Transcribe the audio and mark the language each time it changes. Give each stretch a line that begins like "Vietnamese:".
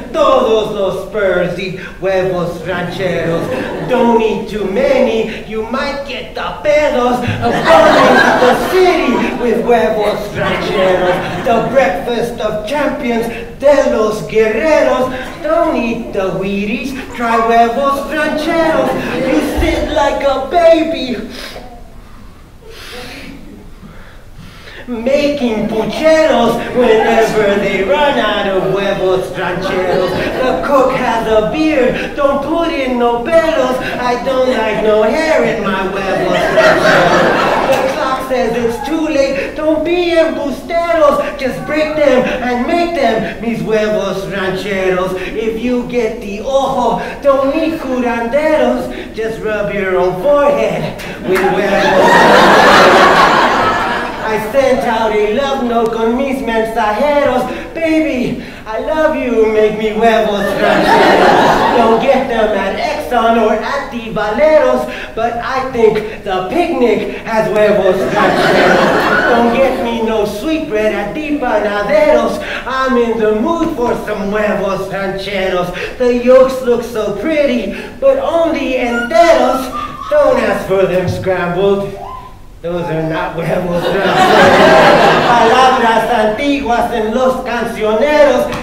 Spanish: Todos los Spurs y huevos rancheros.
English: Don't eat too many, you might get the pedos. Burning the city with huevos rancheros. The breakfast of champions,
Spanish: de los guerreros.
English: Don't eat the Wheaties, try huevos rancheros. You sit like a baby, making pucheros whenever they run out of huevos rancheros. The cook has a beard, don't put in no pelos. I don't like no hair in my huevos rancheros. The clock says it's too late, don't be embusteros. Just break them and make them mis huevos rancheros. If you get the ojo, don't need curanderos. Just rub your own forehead with huevos. I sent out a love note
Spanish: con mis mensajeros.
English: Baby, I love you, make me huevos rancheros. Don't get them at Exxon or at the Valeros, but I think the picnic has huevos rancheros. Don't get me no sweetbread at the Panaderos. I'm in the mood for some huevos rancheros. The yolks look so pretty, but only enteros. Don't ask for them scrambled. Those are not huevos rancheros.
Spanish: Palabras antiguas en los cancioneros.